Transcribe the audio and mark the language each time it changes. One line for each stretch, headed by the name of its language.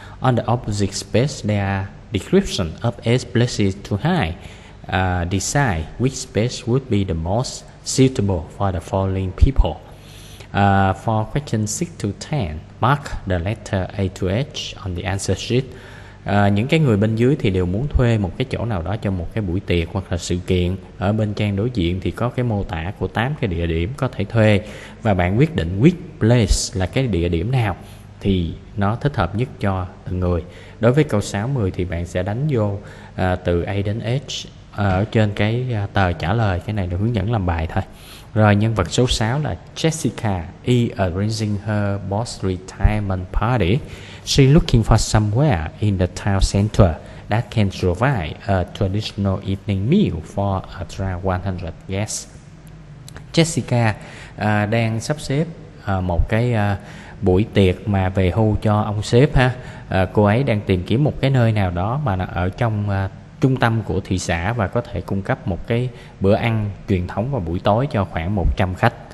English: On the opposite space, there are description of as places to hide. Decide which space would be the most suitable for the following people. For question 6 to 10, mark the letter A to H on the answer sheet.
Vietnamese: Những cái người bên dưới thì đều muốn thuê một cái chỗ nào đó cho một cái buổi tiệc hoặc là sự kiện. Ở bên trang đối diện thì có cái mô tả của 8 cái địa điểm có thể thuê. Và bạn quyết định
English: which place
Vietnamese: là cái địa điểm nào thì nó thích hợp nhất cho từng người. Đối với câu 6-10 thì bạn sẽ đánh vô từ A đến H ở trên cái tờ trả lời. Cái này là hướng dẫn làm bài thôi. Rồi, nhân vật số 6 là
English: Jessica is arranging her boss retirement party. She's looking for somewhere in the town center that can provide a traditional evening meal for around 100 guests.
Vietnamese: Jessica đang sắp xếp một cái buổi tiệc mà về hưu cho ông sếp ha. Cô ấy đang tìm kiếm một cái nơi nào đó mà nó ở trong trung tâm của thị xã và có thể cung cấp một cái bữa ăn truyền thống vào buổi tối cho khoảng 100 khách.